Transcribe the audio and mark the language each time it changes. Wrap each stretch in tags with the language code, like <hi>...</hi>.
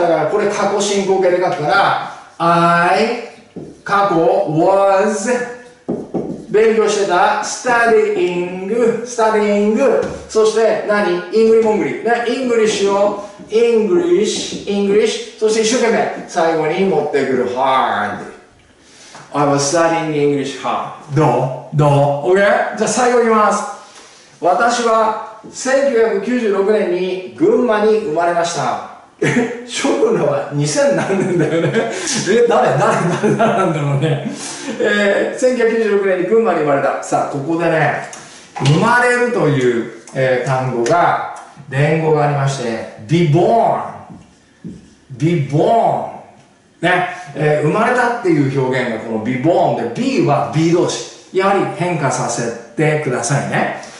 <ja>だから、これ過去進行形で書くから、I、過去、was、勉強してた、studying、studying、そして何、イングリモングリ。ね、イングリッシュを、English、English、そして一生懸命、最後に持ってくる hard。</ja> <en>I was studying English hard。</en> <ja>どう？どう？OK？ じゃあ最後言います。私は1996年に群馬に生まれました。ショックのは2000何年だよね。誰なんだろうね。 1996年に群馬に生まれた。さあ、ここでね、生まれるという、単語が、連語がありまして、be born、 be born ね、生まれたっていう表現がこの be born で、 be は be 動詞、やはり変化させてくださいね。</ja>